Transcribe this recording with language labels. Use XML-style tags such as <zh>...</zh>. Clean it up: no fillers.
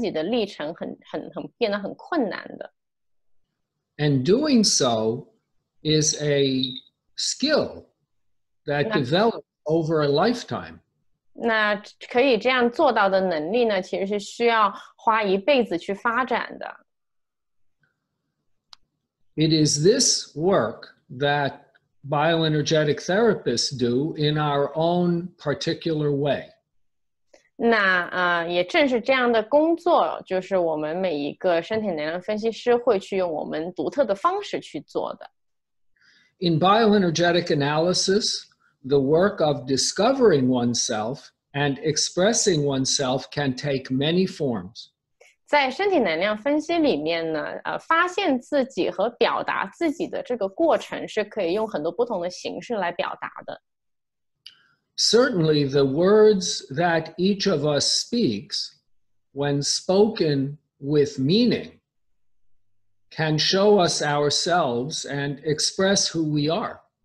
<zh>其实有很多的因素呢，会让这个直面和表达自己的历程变得很困难的。</zh> <en>And doing so is a skill that develops over a lifetime.</en> <zh>那可以这样做到的能力呢, 其实是需要花一辈子去发展的。</zh> <en>It is this work that bioenergetic therapists do in our own particular way.</en> <zh>那也正是这样的工作, 就是我们每一个身体能量分析师会去用我们独特的方式去做的。</zh> <en>In bioenergetic analysis, the work of discovering oneself and expressing oneself can take many forms.</en> <zh>在身体能量分析里面呢, 发现自己和表达自己的这个过程是可以用很多不同的形式来表达的。</zh> <en>Certainly, the words that each of us speaks when spoken with meaning can show us ourselves and express who we are.</en>